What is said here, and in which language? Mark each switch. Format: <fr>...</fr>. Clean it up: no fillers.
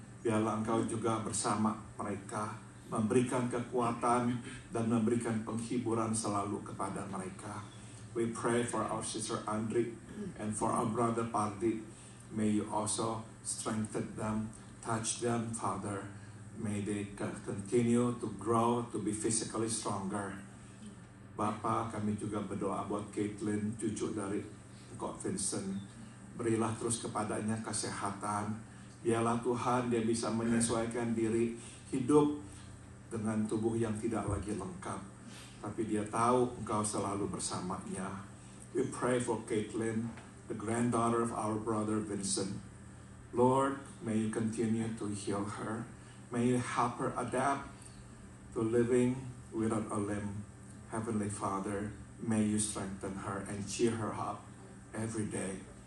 <id>Biarlah Engkau juga bersama mereka, memberikan kekuatan dan memberikan penghiburan selalu kepada mereka.</id> <en>We pray for our sister Andri and for our brother Pardi. May You also strengthen them, touch them, Father. May they continue to grow, to be physically stronger.</en> <id>Bapa, kami juga berdoa buat Caitlin, cucu dari Kok Vincent. Berilah terus kepadanya kesehatan. Biarlah Tuhan dia bisa menyesuaikan diri hidup dengan tubuh yang tidak lagi lengkap. Tapi dia tahu Engkau selalu bersamanya.</id> <en>We pray for Caitlin, the granddaughter of our brother Vincent. Lord, may You continue to heal her. May You help her adapt to living without a limb. Heavenly Father, may You strengthen her and cheer her up every day.</en>